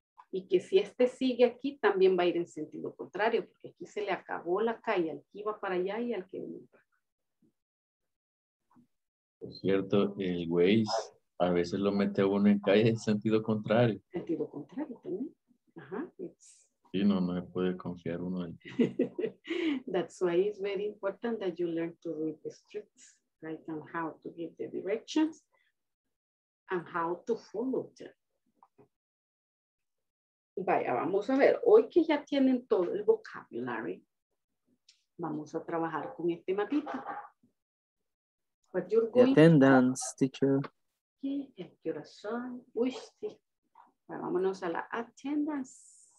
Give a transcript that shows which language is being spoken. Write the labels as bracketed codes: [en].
[es] Y que si este sigue aquí, también va a ir en sentido contrario, porque aquí se le acabó la calle, al que iba para allá y al que venía para acá. Por cierto, el Waze a veces lo mete a uno en calle en sentido contrario. Sentido contrario también. Ajá. Sí, no, no se puede confiar uno en [en] That's why it's very important that you learn to read the streets, right? And how to give the directions and how to follow them. [es] Vaya, vamos a ver. Hoy que ya tienen todo el vocabulary, vamos a trabajar con este mapita. [en] But you're going attendance, to... teacher. [es] ¿Qué? El corazón. Uy, sí. Bueno, vámonos a la attendance.